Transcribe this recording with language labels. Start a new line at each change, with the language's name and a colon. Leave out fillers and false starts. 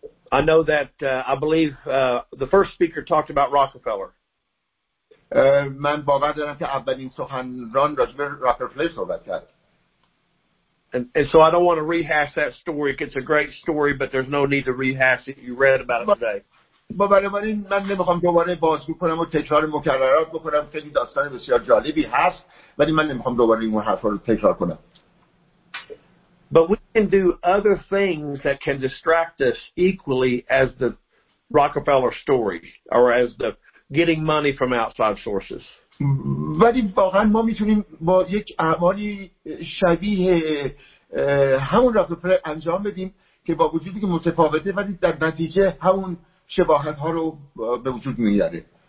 English: I know that I believe the first speaker talked about Rockefeller.
Persian: من باور دارم که اولین سخنران راجع به راکفلر صحبت کرد.
English: And so I don't want to rehash that story. It's a great story, but there's no need to rehash it. You read about it today.
Persian: بنابراین من نمیخوام دوباره بازگو کنم و تکرار مکررات بکنم. خیلی داستان بسیار جالبی هست ولی من نمیخوام دوباره این حرفا رو تکرار کنم.
English: But we can do other things that can distract us equally as the Rockefeller story or as the getting money from outside sources.
Persian: ولی واقعا ما میتونیم با یک اعمالی شبیه همون راکفلر انجام بدیم که با وجودی که متفاوته ولی در نتیجه همون شباهت ها رو به وجود میاره.